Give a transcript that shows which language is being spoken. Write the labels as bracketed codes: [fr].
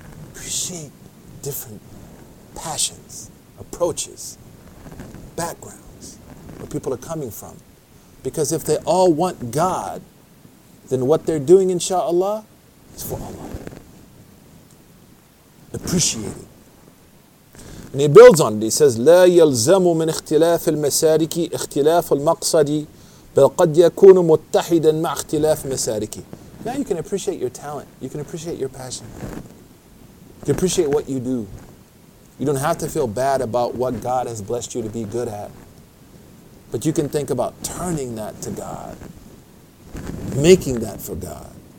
[en] Appreciate different passions, approaches, backgrounds. Where people are coming from. Because if they all want God, then what they're doing, inshallah, is for Allah. Appreciate it. And he builds on it. He says, [ar] لا يلزم من اختلاف المسارك اختلاف المقصد بل قد يكون متحدا مع اختلاف مسارك. [en] Now you can appreciate your talent. You can appreciate your passion. You can appreciate what you do. You don't have to feel bad about what God has blessed you to be good at. But you can think about turning that to God, making that for God.